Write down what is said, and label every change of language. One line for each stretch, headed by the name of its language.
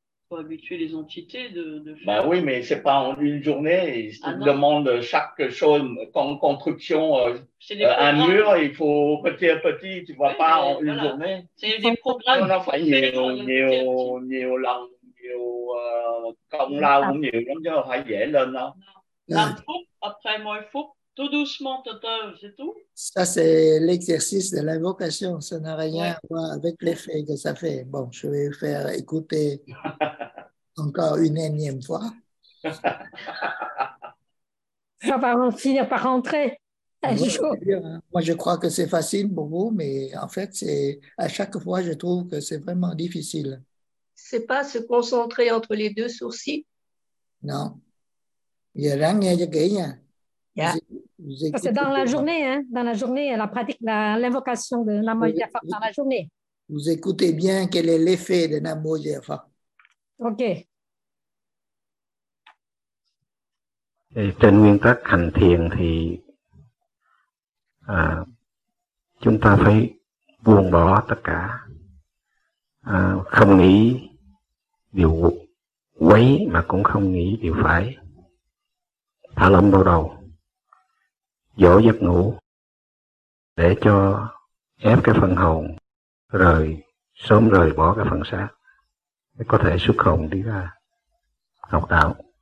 French: Faut habituer les entités de faire. Bah oui, mais c'est pas en une journée. Il demande chaque chose comme construction. Un mur, il faut petit à petit. Tu vois, oui, pas en voilà. Une journée. C'est des programmes. On a fait
Vietnamese: nhiều lần, nhiều công lao cũng nhiều lắm chứ, phải dễ lên đó.
French: Après moi, il faut tout doucement, c'est tout. Ça c'est l'exercice de l'invocation. Ça n'a rien à voir avec l'effet que ça fait. Bon, je vais faire écouter. Encore une énième fois. Ça va finir par rentrer. Moi, je crois que c'est facile pour vous, mais en fait, c'est à chaque fois, je trouve que c'est vraiment difficile. C'est pas se concentrer entre les deux sourcils. Non. Il y a rien à dire. C'est dans la journée, hein? Dans la journée, la pratique, l'invocation de Namo Yafa dans la journée. Vous écoutez bien quel est l'effet de Namo Yafa. OK.
Vietnamese: Trên nguyên tắc hành thiền thì chúng ta phải buông bỏ tất cả, không nghĩ điều quấy mà cũng không nghĩ điều phải, thả lỏng đầu đầu, dỗ giấc ngủ để cho ép cái phần hồn rời, sớm rời bỏ cái phần xác, có thể xuất hồn đi ra học đạo.